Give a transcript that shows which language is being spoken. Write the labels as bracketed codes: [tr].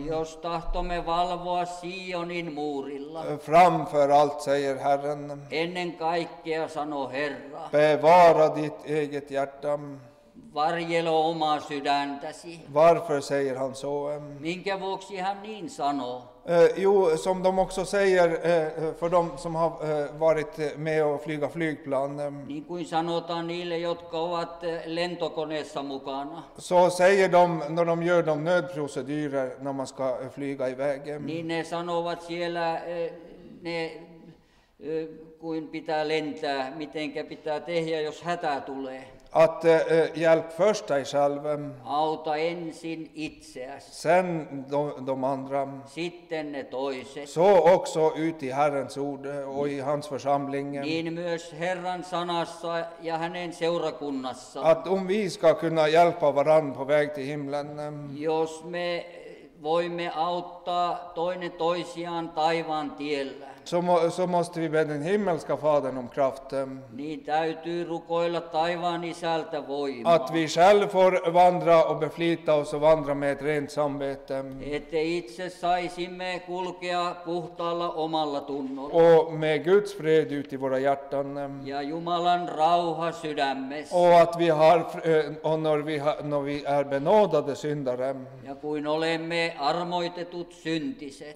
[fi] Jos tahtomme valvoa Sionin muurilla. [sv] Framför allt säger Herren. [fi] Ennen kaikkea sanoo Herra. [sv] Bevara ditt eget hjärta. [fi] Varjelo omaa sydäntäsi. [sv] Varför säger han så? [fi] Minkä vuoksi hän niin sanoo? [sv] Jo, som de också säger för de som har varit med och flyga flygplan. [fi] Niin kuin sanotaan niille, jotka ovat lentokoneessa mukana. [sv] Så säger de när de gör de nödprocedurer när man ska flyga iväg. [fi] Niin ne sanovat siellä, ne kuin pitää lentää, mitenkä pitää tehdä, jos hätä tulee. [sv] Att hjälp först dig själv. [fi] Auta ensin itseäsi. [sv] Sen de andra. [fi] Sitten ne toiset. [sv] Så också ut i Herrens ord och i hans församling. [fi] Niin myös Herran sanassa ja hänen seurakunnassa. [sv] Att om vi ska kunna hjälpa varann på väg till himlen. [fi] Jos me voimme auttaa toinen toisiaan taivaan tiellä. [sv] Så måste vi be den himmelska fadern om kraft. [fi] Niin täytyy rukoilla taivaan isältä voimaa. [sv] Att vi själv får vandra och beflita oss och vandra med ett rent samvete. [fi] Että itse saisimme kulkea puhtaalla omalla tunnolla. [sv] Och med Guds fred ut i våra hjärtan. [fi] Ja Jumalan rauha sydämessä. [sv] Och att vi har, och när vi är benådade syndare. [fi] Ja kuin olemme armoitetut syntiset.